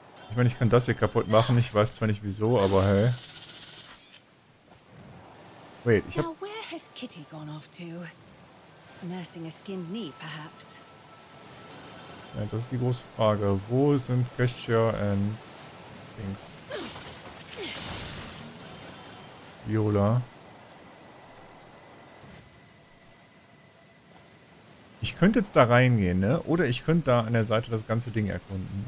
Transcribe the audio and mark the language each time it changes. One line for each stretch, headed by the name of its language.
German: Ich meine, ich kann das hier kaputt machen. Ich weiß zwar nicht wieso, aber hey.
English: Wait,
German: ich hab.
English: Now, where has Kitty gone off to? Nursing a skinned knee, perhaps.
German: Ja, das ist die große Frage. Wo sind Kestia und Dings? Viola. Ich könnte jetzt da reingehen, ne? Oder ich könnte da an der Seite das ganze Ding erkunden.